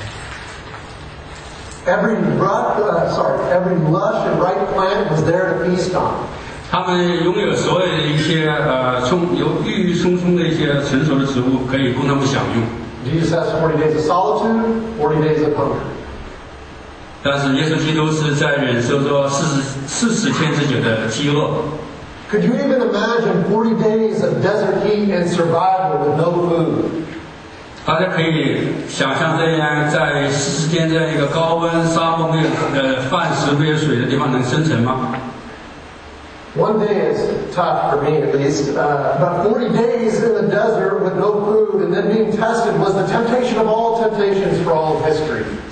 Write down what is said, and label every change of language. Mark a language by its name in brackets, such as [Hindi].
[Chinese] 那亚当跟夏娃当时所处的伊甸园，就像是世界上可以想象最好的素食餐厅。 [English] Every every lush and ripe plant was there to feast on. [Chinese] 他们拥有所有的一些郁郁葱葱的一些成熟的植物，可以供他们享用。Jesus [English] has 40 days of solitude, 40 days of hunger. [Chinese] 但是耶稣基督是在忍受着40天之久的饥饿。 [English] Could you even imagine 40 days of desert heat and survival with no food? [Chinese] 大家可以想象这样在40天这样一个高温沙漠没有饭食没有水的地方能生存吗？ [English] One day is tough for me at least, but 40 days in the desert with no food and then being tested was the temptation of all temptations for all of history.